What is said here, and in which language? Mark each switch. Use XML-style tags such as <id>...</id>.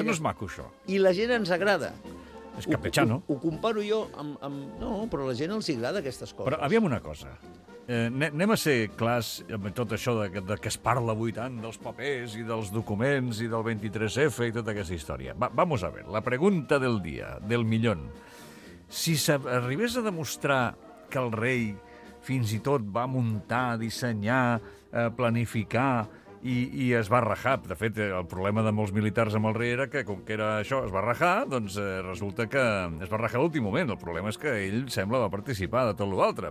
<ca>Que no és maco, això. I la gent ens agrada. És capetxano. Ho comparo jo amb... No, però la gent els agrada aquestes coses. Però aviam una cosa. Anem a ser clars amb tot això de que es parla avui tant dels papers i dels documents i del 23F i tota aquesta història.</ca> <es>Vamos a ver.</es> <ca>La pregunta del dia,</ca> <es>del millón.</es> <ca>Si s'arribés a demostrar que el rei fins i tot va muntar, dissenyar, planificar i es va rajar. De fet, el problema de molts militars amb el rei era que, com que era això, es va rajar, doncs resulta que es va rajar a l'últim moment. El problema és que ell sembla va participar de tot l'altre.</ca>